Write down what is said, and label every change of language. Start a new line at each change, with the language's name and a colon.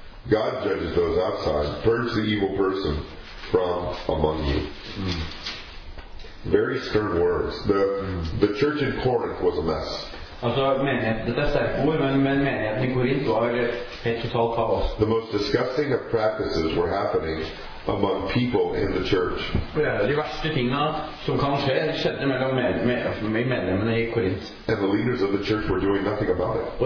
English: God judges those outside. Purge the evil person from among you. Very stern words. The church in Corinth was a mess.
Norwegian: Altså, dette sterke ord, men menigheten i Korinth var helt totalt kaos.
English: The most disgusting of practices were happening among people in the church.
Norwegian: De verste tingene som kan skje, skjedde mellom medlemmene i Korinth.
English: And the leaders of the church were doing nothing about it.